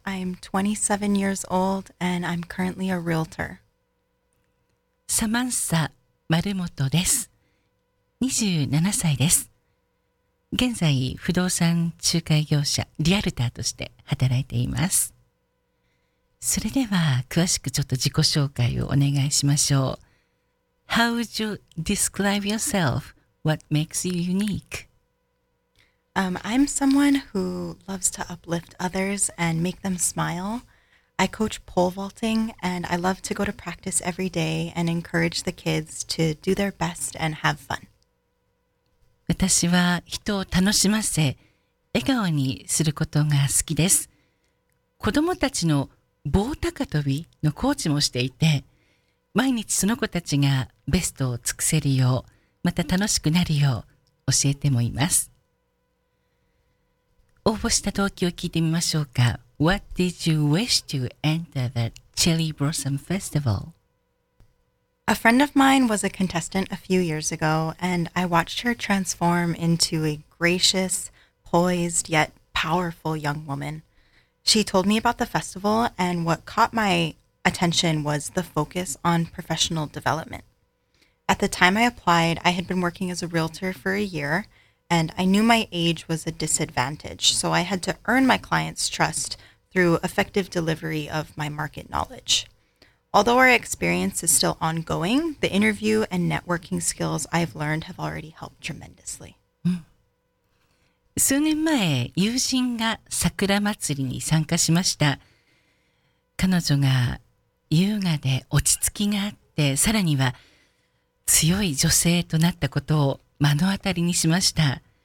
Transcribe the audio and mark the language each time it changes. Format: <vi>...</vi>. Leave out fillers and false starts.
<en>I'm 27 years old and I'm currently a realtor.</en> <ja>サマンサ・マルモトです。27歳です。現在、不動産仲介業者、リアルターとして働いています。それでは、詳しくちょっと自己紹介をお願いしましょう。</ja> <en>How would you describe yourself? What makes you unique? I'm someone who loves to uplift others and make them smile. I coach pole vaulting and I love to go to practice every day and encourage the kids to do their best and have fun.</en> <ja>私は人を楽しませ、笑顔にすることが好きです。子供たちの棒高跳びのコーチもしていて、毎日その子たちがベストを尽くせるよう、また楽しくなるよう教えてもいます。応募した動機を聞いてみましょうか。</ja> <en>What did you wish to enter the Cherry Blossom Festival? A friend of mine was a contestant a few years ago, and I watched her transform into a gracious, poised, yet powerful young woman. She told me about the festival, and what caught my attention was the focus on professional development. At the time I applied, I had been working as a realtor for a year,And I knew my age was a disadvantage, so I had to earn my clients' trust through effective delivery of my market knowledge. Although our experience is still ongoing, the interview and networking skills I've learned have already helped tremendously.</en> <ja>数年前、友人が桜祭りに参加しました。彼女が優雅で落ち着きがあって、さらには強い女性となったことを目の当たりにしました。</ja>